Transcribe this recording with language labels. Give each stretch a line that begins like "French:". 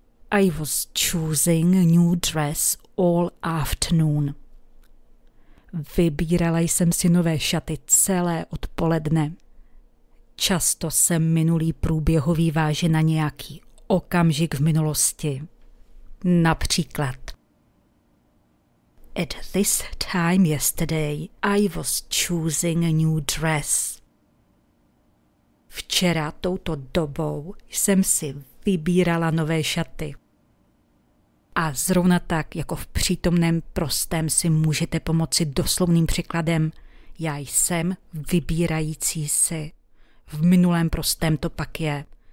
English: I was choosing a new dress all afternoon.
Czech: Vybírala jsem si nové šaty celé odpoledne. Často se minulý průběhový váže na nějaký okamžik v minulosti. Například.
English: At this time yesterday, I was choosing a new dress.
Czech: Včera touto dobou jsem si vybírala nové šaty. A zrovna tak, jako v přítomném prostém, si můžete pomoci doslovným příkladem. Já jsem vybírající si. V minulém prostém to pak je.